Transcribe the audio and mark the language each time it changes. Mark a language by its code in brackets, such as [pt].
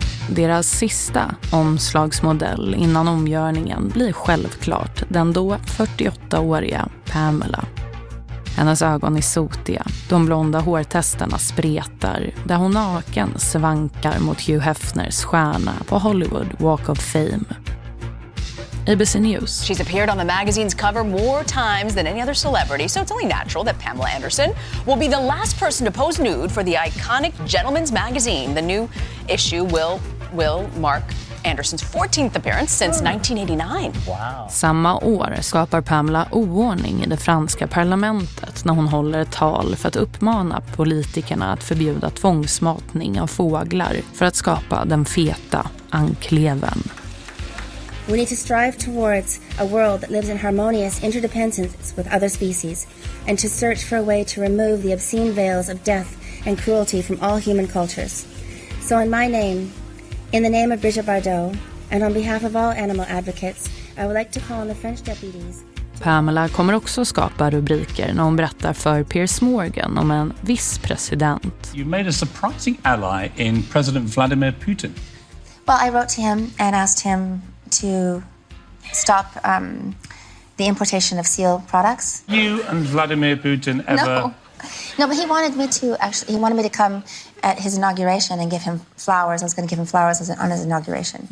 [sv] Deras sista omslagsmodell innan omgörningen blir självklart den då 48-åriga Pamela. Hennes ögon är sotiga, de blonda hårtesterna spretar, där hon naken svankar mot Hugh Hefners stjärna på Hollywood Walk of Fame. [en] ABC News. She's appeared on the magazine's cover more times than any other celebrity, so it's only natural that Pamela Anderson will be the last person to pose nude for the iconic Gentleman's Magazine. The new issue will mark Andersons 14th appearance since 1989. Wow. [sv] Samma år skapar Pamela oordning i det franska parlamentet när hon håller ett tal för att uppmana politikerna att förbjuda tvångsmatning av fåglar för att skapa den feta ankleven. [en] We need to strive towards a world that lives in harmonious interdependence with other species and to search for a way to remove the obscene veils of death and cruelty from all human cultures. So in my name, in the name of Brigitte Bardot and on behalf of all animal advocates, I would like to call on the French deputies. [sv] Pamela kommer också skapa rubriker när hon berättar för Piers Morgan om en viss president. [en] You made a surprising ally in President Vladimir Putin. Well, I wrote to him and asked him to stop the importation of seal products. You and Vladimir Putin ever? No, but he wanted me to come at his inauguration and give him flowers. I was going to give him flowers on his inauguration.